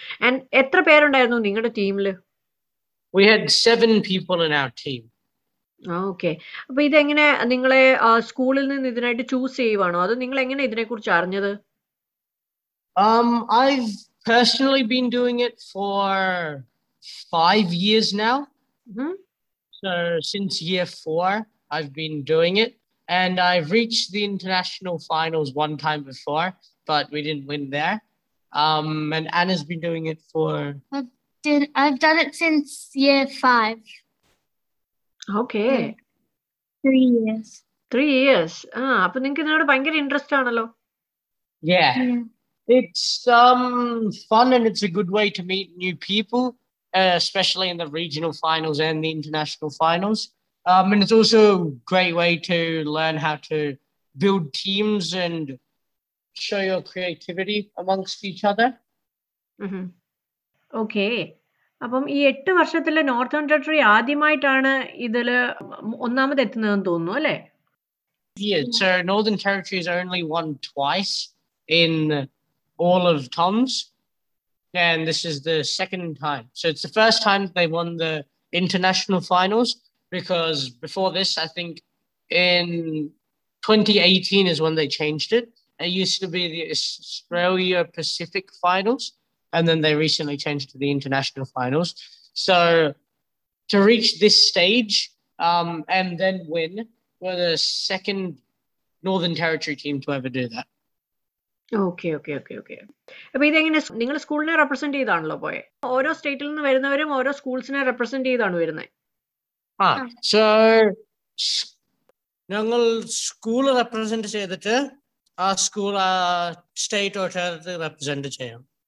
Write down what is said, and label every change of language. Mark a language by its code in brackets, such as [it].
[ml] And എത്ര പേരുണ്ടായിരുന്നു നിങ്ങളുടെ ടീമില്? [en] We had 7 people in our team. Okay. [ml] അപ്പോൾ ഇത് എങ്ങനെ നിങ്ങളെ സ്കൂളിൽ നിന്ന് ഇതിനായിട്ട് ചൂസ് ചെയ്യുവാണോ അതോ നിങ്ങൾ എങ്ങനെ ഇതിനെക്കുറിച്ച് അറിഞ്ഞത്? [en] I've personally been doing it for 5 years now. Mm-hmm. So since year 4 I've been doing it and I've reached the international finals one time before, but we didn't win there. And Anna's been doing it for I've done it since year 5. Okay. 3 years. 3 years. [ml] Appo ninge nadu bangara interest aanallo. [en] Yeah. It's fun and it's a good way to meet new people, especially in the regional finals and the international finals. And it's also a great way to learn how to build teams and show your creativity amongst each other. Mm-hmm. Okay. [ml] അപ്പം ഈ 8 വർഷത്തിലെ northern territory ആദ്യമായിട്ടാണ് ഇതില് ഒന്നാമത് എത്തുന്നതെന്ന് തോന്നുന്നു അല്ലേ? [en] Yeah, so Northern Territory has only won twice in all of TOMS, and this is the second time. So it's the first time they won the international finals, because before this, I think in 2018 is when they changed it. It used to be the Australia Pacific Finals, and then they recently changed to the International Finals. So to reach this stage and then win, we're the second Northern Territory team to ever do that. Okay. [ml] അപ്പോൾ ഇതെങ്ങനെ നിങ്ങൾ സ്കൂളിനെ represent ചെയ്താണല്ലോ പോയെ? ഓരോ സ്റ്റേറ്റിൽ നിന്ന് വരുന്നവരും ഓരോ സ്കൂൾസിനെ റെപ്രസെന്റ് ചെയ്താണ് വരുന്നത്. ആ സോ ഞങ്ങൾ സ്കൂൾ റെപ്രസെന്റ് ചെയ്തിട്ട് ആ സ്കൂൾ ആ സ്റ്റേറ്റ് ഓർ ടെറിട്ടറി റെപ്രസെന്റ് ചെയ്യും.